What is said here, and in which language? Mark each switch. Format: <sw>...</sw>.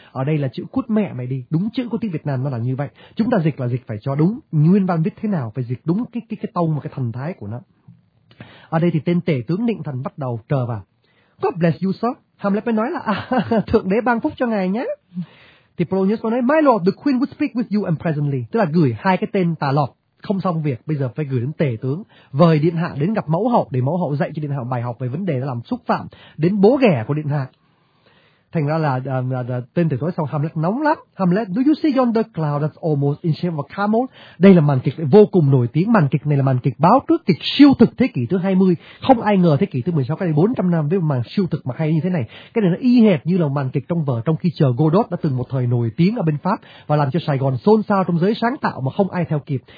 <vi>Ở đây là chữ cút mẹ mày đi, đúng chữ của tiếng Việt Nam nó là như vậy. Chúng ta dịch là dịch phải cho đúng, nguyên văn viết thế nào phải dịch đúng cái tông và cái thần thái của nó. Ở đây thì tên tể tướng Định Thần bắt đầu trờ vào.</vi> <en>God bless you sir.</en> <vi>Hamlet mới nói là thượng đế ban phúc cho ngài nhé. Thì Polonius mới nói,</vi> <en>my lord, the queen would speak with you and presently.</en> <vi>Tức là gửi hai cái tên tà lọt, không xong việc, bây giờ phải gửi đến tể tướng, vời điện hạ đến gặp mẫu hậu, để mẫu hậu dạy cho điện hạ bài học về vấn đề làm xúc phạm đến bố ghẻ của điện hạ. Thành ra là tên tử tối xong, Hamlet nóng lắm.</vi> <en>Hamlet, do you see yonder cloud that's almost in shape of a camel?</en> <vi>Đây là màn kịch vô cùng nổi tiếng. Màn kịch này là màn kịch báo trước, kịch siêu thực thế kỷ thứ 20. Không ai ngờ thế kỷ thứ 16 cách đây 400 năm với một màn siêu thực mà hay như thế này. Cái này nó y hệt như là màn kịch trong vở Trong Khi Chờ Godot đã từng một thời nổi tiếng ở bên Pháp và làm cho Sài Gòn xôn xao trong giới sáng tạo mà không ai theo kịp.</vi>